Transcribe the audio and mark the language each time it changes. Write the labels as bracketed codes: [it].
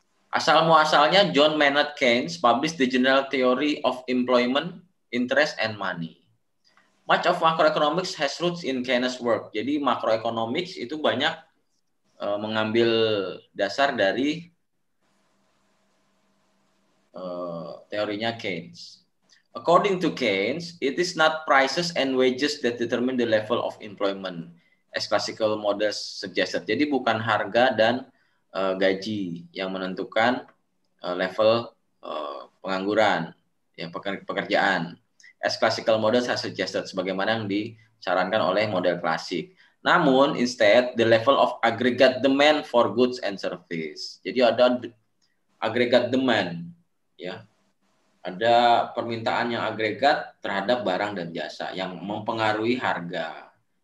[id] Asal-muasalnya [en] John Maynard Keynes published the General Theory of Employment, Interest, and Money. Much of macroeconomics has roots in Keynes' work. [id] Jadi macroeconomics itu banyak mengambil dasar dari teorinya Keynes. [en] According to Keynes, it is not prices and wages that determine the level of employment, as classical models suggested. [id] Jadi bukan harga dan gaji yang menentukan level pengangguran, ya, pekerjaan. [en] As classical models has suggested, [id] sebagaimana yang disarankan oleh model klasik. [en] Namun, instead, the level of aggregate demand for goods and service. [id] Jadi ada aggregate demand, ya. Ada permintaan yang agregat terhadap barang dan jasa yang mempengaruhi harga.